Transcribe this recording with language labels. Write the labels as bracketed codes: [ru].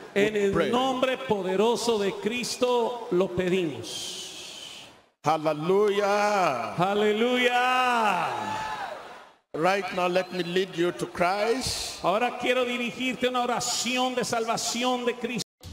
[es] en el nombre poderoso de Cristo lo pedimos. [en] Hallelujah. Hallelujah. Right now, let me lead you to Christ. [es] Ahora quiero dirigirte a una oración de salvación de Cristo.